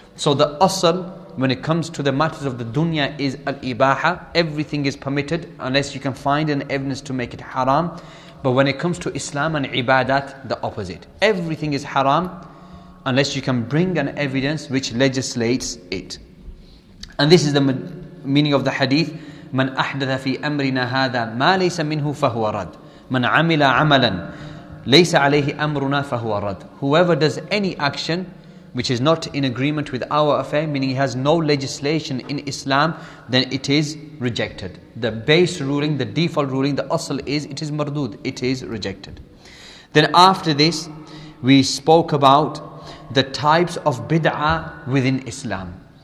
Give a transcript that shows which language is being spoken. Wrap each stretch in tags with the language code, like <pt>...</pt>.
<en>So the asl, when it comes to the matters of the dunya, is al-ibaha. Everything is permitted unless you can find an evidence to make it haram. But when it comes to Islam and ibadat, the opposite. Everything is haram unless you can bring an evidence which legislates it. And this is the meaning of the hadith,</en> <ar>من أحدث في أمرنا هذا ما ليس منه فهو رد من عمل عملا ليس عليه أمرنا فهو رد.</ar> <en>Whoever does any action which is not in agreement with our affair, meaning he has no legislation in Islam, then it is rejected. The base ruling, the default ruling, the asl is it is mardood, it is rejected. Then after this, we spoke about the types of bid'ah within Islam.</en>